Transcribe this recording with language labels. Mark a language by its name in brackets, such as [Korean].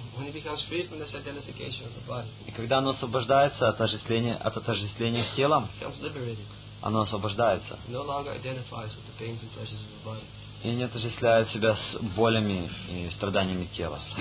[English] When he becomes free from this identification with the body. [Russian] И когда оно освобождается от отождествления с телом, [English] becomes liberated. [Russian] Оно освобождается. [English] No longer identifies with the pains and pleasures of the body. [Russian] И не отождествляет себя с болями и страданиями тела.